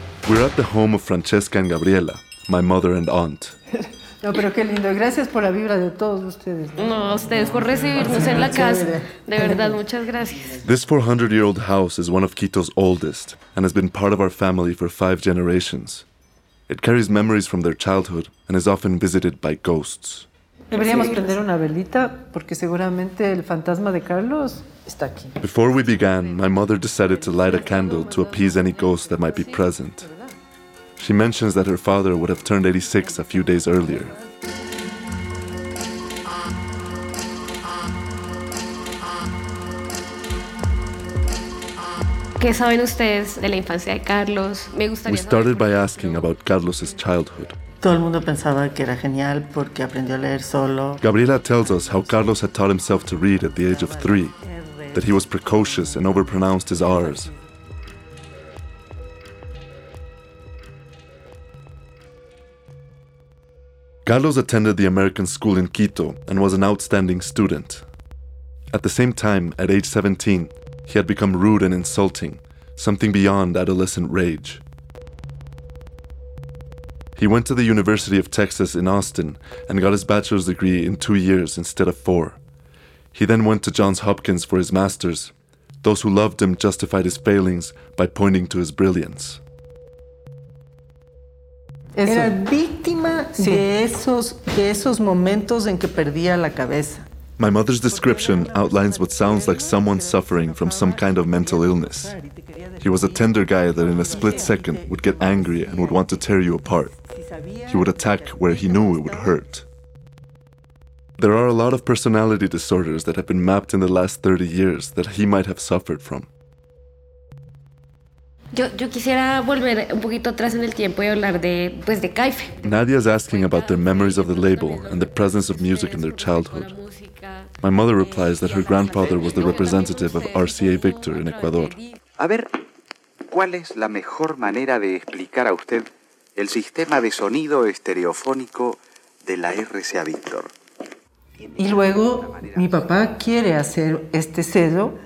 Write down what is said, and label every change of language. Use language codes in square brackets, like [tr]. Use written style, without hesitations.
[en] We're at the home of Francesca and Gabriela, my mother and aunt. [es] No, pero qué lindo. Gracias por la vibra de todos ustedes. No, a ustedes por recibirnos en la casa. De verdad, muchas gracias. [en] This 400-year-old house is one of Quito's oldest and has been part of our family for 5 generations. It carries memories from their childhood and is often visited by ghosts. [es] Deberíamos prender una velita porque seguramente el fantasma de Carlos está aquí. [en] Before we began, my mother decided to light a candle to appease any ghost that might be present. She mentions that her father would have turned 86 a few days earlier. [es] ¿Qué saben ustedes de la infancia de Carlos? [en] Me gustaría. We started by asking about Carlos's childhood. [es] Todo el mundo pensaba que era genial porque aprendió a leer solo. [en] Gabriela tells us how Carlos had taught himself to read at the age of 3, that he was precocious and overpronounced his R's. Carlos attended the American school in Quito and was an outstanding student. At the same time, at age 17, he had become rude and insulting, something beyond adolescent rage. He went to the University of Texas in Austin and got his bachelor's degree in 2 years instead of 4. He then went to Johns Hopkins for his master's. Those who loved him justified his failings by pointing to his brilliance. [es] Era víctima de esos momentos en que perdía la cabeza. [en] My mother's description outlines what sounds like someone suffering from some kind of mental illness. He was a tender guy that in a split second would get angry and would want to tear you apart. He would attack where he knew it would hurt. There are a lot of personality disorders that have been mapped in the last 30 years that he might have suffered from. [es] Yo quisiera volver un poquito atrás en el tiempo y hablar de Kaifei. [en] Nadia's asking about their memories of the label and the presence of music in their childhood. My mother replies that her grandfather was the representative of RCA Victor in Ecuador. [es] A ver, ¿cuál es la mejor manera de explicar a usted el sistema de sonido estereofónico de la RCA Victor? Y luego, mi papá quiere hacer este cedo.